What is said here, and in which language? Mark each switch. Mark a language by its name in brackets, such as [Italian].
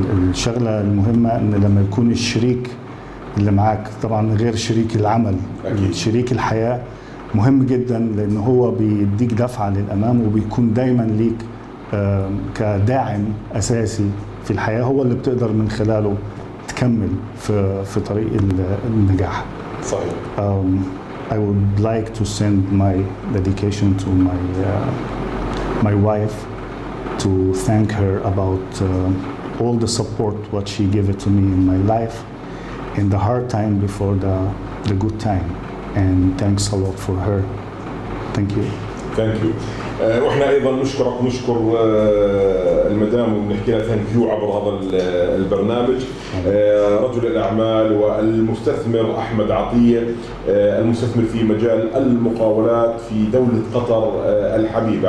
[Arabic] الشغلة المهمة ان لما يكون الشريك اللي معاك طبعا غير شريك العمل، شريك الحياة مهم جدا، لان هو بيديك دفعة للامام وبيكون دايما ليك كداعم اساسي في الحياة، هو اللي بتقدر من خلاله تكمل في طريق النجاح. صحيح. [English] I would like to send my dedication to my wife to thank her about all the support what she gave it to me in my life in the hard time before the good time, and thanks a lot for her. Thank you. [Arabic] واحنا ايضا نشكرك، نشكر المدام ونحكي لها ثانك يو عبر هذا البرنامج، رجل الاعمال والمستثمر احمد عطيه، المستثمر في مجال المقاولات في دوله قطر الحبيبه.